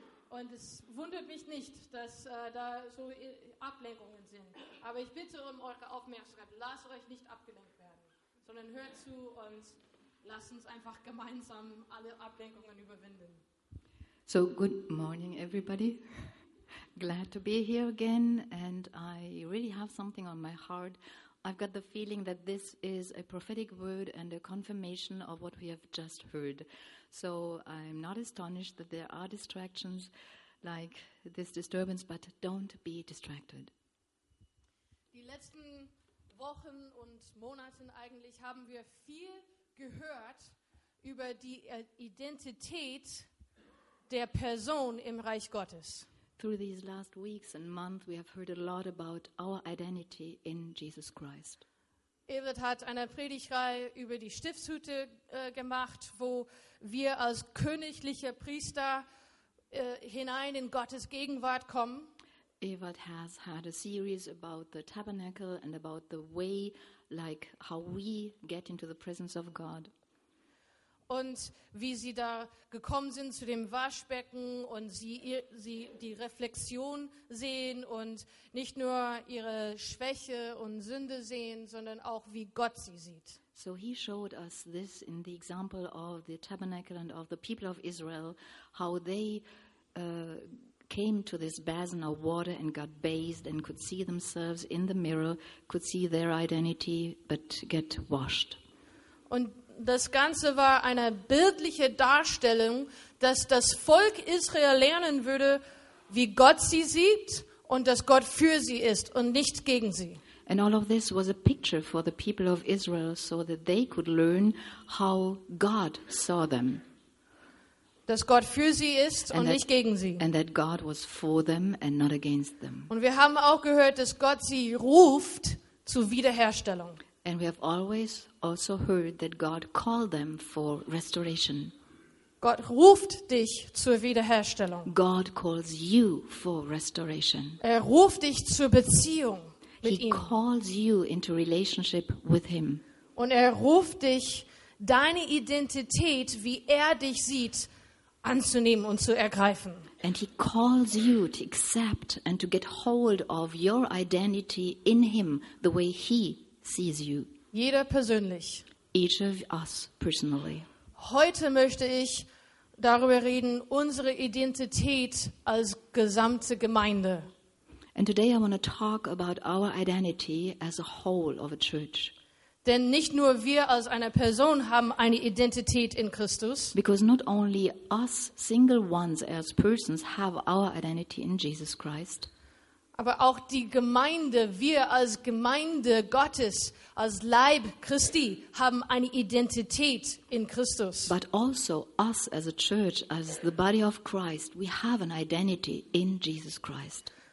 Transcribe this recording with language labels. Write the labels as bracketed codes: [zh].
[de] Und es wundert mich nicht, dass da so Ablenkungen sind. Aber ich bitte um eure Aufmerksamkeit. Lasst euch nicht abgelenkt werden, sondern hört zu und lasst uns einfach gemeinsam alle Ablenkungen überwinden. [en] So, good morning, everybody. Glad to be here again. And I really have something on my heart. I've got the feeling that this is a prophetic word and a confirmation of what we have just heard. So I'm not astonished that there are distractions like this disturbance, but don't be distracted. [de] Die letzten Wochen und Monate eigentlich haben wir viel gehört über die Identität der Person im Reich Gottes. [en] Through these last weeks and months, we have heard a lot about our identity in Jesus Christ. [de] Evert hat eine Predigtreihe über die Stiftshütte gemacht, wo wir als königliche Priester hinein in Gottes Gegenwart kommen. [en] Evert has had a series about the tabernacle and about the way, like how we get into the presence of God. [de] Und wie sie da gekommen sind zu dem Waschbecken und sie die Reflexion sehen und nicht nur ihre Schwäche und Sünde sehen, sondern auch wie Gott sie sieht. [en] So he showed us this in the example of the tabernacle and of the people of Israel, how they came to this basin of water and got bathed and could see themselves in the mirror, could see their identity, but get washed. [de] Und das Ganze war eine bildliche Darstellung, dass das Volk Israel lernen würde, wie Gott sie sieht und dass Gott für sie ist und nicht gegen sie. [en] And all of this was a picture for the people of Israel, so that they could learn how God saw them. [de] Dass Gott für sie ist und nicht gegen sie. [en] And that God was for them and not against them. [de] Und wir haben auch gehört, dass Gott sie ruft zur Wiederherstellung. [en] And we have always also heard that God called them for restoration. [de] Gott ruft dich zur Wiederherstellung. [en] God calls you for restoration. [de] Er ruft dich zur Beziehung mit ihm. [en] He calls you into relationship with him. [de] Und er ruft dich, deine Identität, wie er dich sieht, anzunehmen und zu ergreifen. [en] And he calls you to accept and to get hold of your identity in him the way he sees you. [de] Jeder persönlich. [en] Each of us personally. [de] Heute möchte ich darüber reden, unsere Identität als gesamte Gemeinde. [en] And today I want to talk about our identity as a whole of a church. [de] Denn nicht nur wir als eine Person haben eine Identität in Christus. [en] Because not only us single ones as persons have our identity in Jesus Christ. [de] Aber auch die Gemeinde, wir als Gemeinde Gottes, als Leib Christi, haben eine Identität in Christus. [en] But also us as a church, as the body of Christ, we have an identity in Jesus Christ.